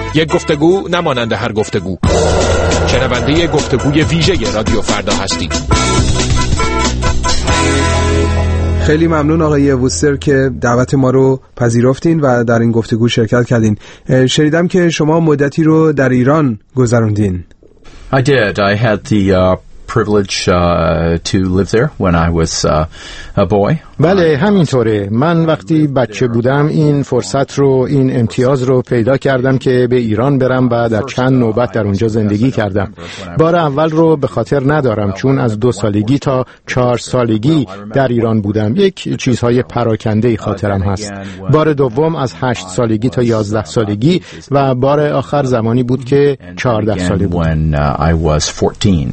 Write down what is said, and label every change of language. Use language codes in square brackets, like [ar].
[fa] یک گفتگو نمانند هر گفتگو. شنونده گفتگوی ویژه رادیو فردا هستید. خیلی ممنون آقای ووستر که دعوت ما رو پذیرفتین و در این گفتگو شرکت کردین. شنیدم که شما مدتی رو در ایران گذروندین. [en] I did. I had the privilege to live there when I was a boy. [fa] بله همینطوره. من وقتی بچه بودم این فرصت رو، این امتیاز رو پیدا کردم که به ایران برم و در چند نوبت در اونجا زندگی کردم. بار اول رو به خاطر ندارم، چون از 2 سالگی تا 4 سالگی در ایران بودم. یک چیزهای پراکنده‌ای خاطرم هست. بار دوم از 8 سالگی تا 11 سالگی و بار آخر زمانی بود که 14 ساله بودم.